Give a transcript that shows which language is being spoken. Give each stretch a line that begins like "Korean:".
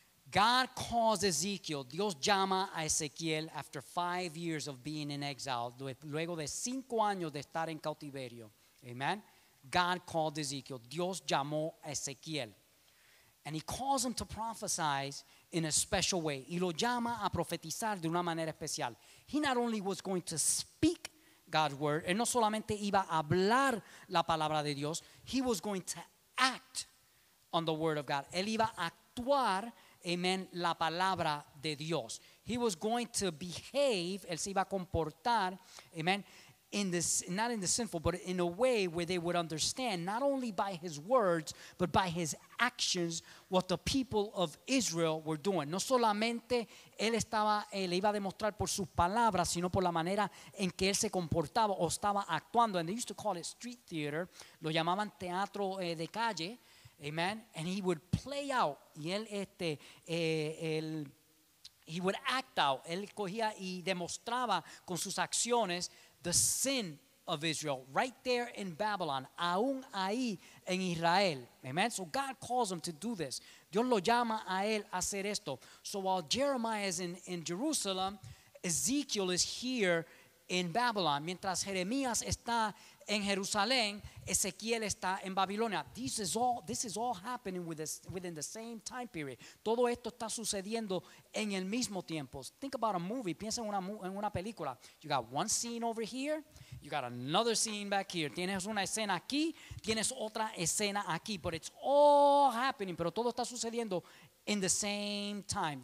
English: God calls Ezekiel.
Spanish: Dios llama a Ezequiel
English: after 5 years of being in exile.
Spanish: Luego de 5 años de estar en cautiverio. Amen.
English: God called Ezekiel.
Spanish: Dios llamó a Ezequiel.
English: And he calls him to prophesy in a special way.
Spanish: Y lo llama a profetizar de una manera especial.
English: He not only was going to speak God's word.
Spanish: Él no solamente iba a hablar la palabra de Dios.
English: He was going to act on the word of God.
Spanish: Él iba a actuar, amen, la palabra de Dios.
English: He was going to behave,
Spanish: él se iba a comportar,
English: amen, in this, not in the sinful, but in a way where they would understand, not only by his words, but by his actions, what the people of Israel were doing.
Spanish: No solamente él estaba, le iba a demostrar por sus palabras, sino por la manera en que él se comportaba o estaba actuando.
English: And they used to call it street theater,
Spanish: lo llamaban teatro de calle.
English: Amen. And he would play out.
Spanish: Y él,
English: he would act out.
Spanish: Él cogía y demostraba con sus acciones
English: the sin of Israel right there in Babylon.
Spanish: Aún ahí en Israel.
English: Amen. So God calls him to do this.
Spanish: Dios lo llama a él a hacer esto.
English: So while Jeremiah is in Jerusalem, Ezekiel is here in Babylon.
Spanish: Mientras Jeremías está en Jerusalén, Ezequiel está en Babilonia.
English: This is all happening within the same time period.
Spanish: Todo esto está sucediendo en el mismo tiempo.
English: Think about a movie.
Spanish: Piensa en una película.
English: You got one scene over here. You got another scene back here.
Spanish: Tienes una escena aquí. Tienes otra escena aquí.
English: But it's all happening.
Spanish: Pero todo está sucediendo
English: in the same time.